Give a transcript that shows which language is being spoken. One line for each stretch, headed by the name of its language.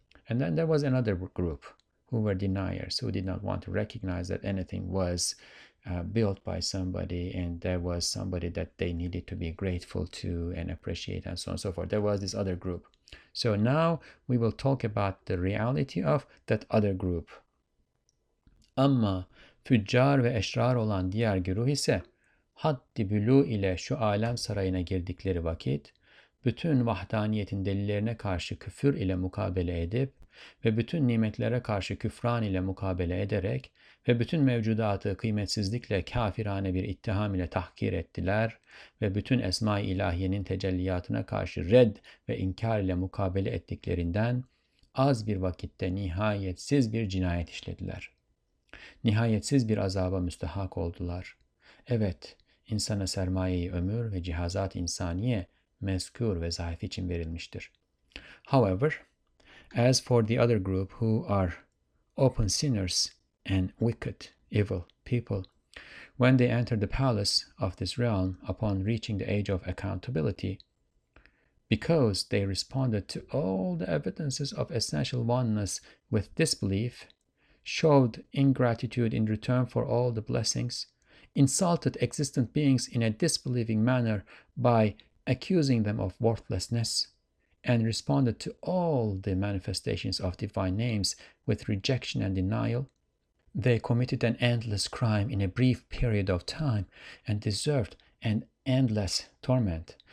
English: And then there was another group who were deniers, who did not want to recognize that anything was built by somebody, and there was somebody that they needed to be grateful to and appreciate, and so on and so forth. There was this other group. So now we will talk about the reality of that other group.
Turkish: Amma füccar ve eşrar olan diğer güruh ise haddi bülû ile şu âlem sarayına girdikleri vakit bütün vahdaniyetin delillerine karşı küfür ile mukabele edip ve bütün nimetlere karşı küfran ile mukabele ederek ve bütün mevcudatı kıymetsizlikle kafirane bir ittiham ile tahkir ettiler ve bütün esma-i ilahiyenin tecelliyatına karşı red ve inkar ile mukabele ettiklerinden az bir vakitte nihayetsiz bir cinayet işlediler. Nihayetsiz bir azaba müstehak oldular. Evet, insana sermayeyi ömür ve cihazat insaniye mezkûr ve zayıf için verilmiştir.
English: However, as for the other group who are open sinners and wicked, evil people, when they enter the palace of this realm upon reaching the age of accountability, because they responded to all the evidences of essential oneness with disbelief, showed ingratitude in return for all the blessings, insulted existent beings in a disbelieving manner by accusing them of worthlessness, and responded to all the manifestations of divine names with rejection and denial, they committed an endless crime in a brief period of time and deserved an endless torment.